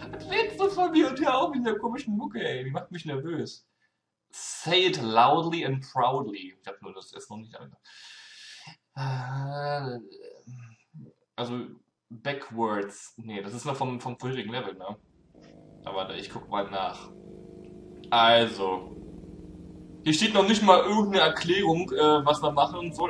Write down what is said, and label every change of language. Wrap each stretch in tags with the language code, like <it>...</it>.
<de>Redst du von mir und hier auch mit der komischen Mucke, ey? Die macht mich nervös.</de> <en>Say it loudly and proudly.</en> <de>Ich hab nur das S noch nicht angehört. Also, backwards. Nee, das ist noch vom vorherigen Level, ne? Aber ich guck mal nach. Also. Hier steht noch nicht mal irgendeine Erklärung, was man machen soll.</de>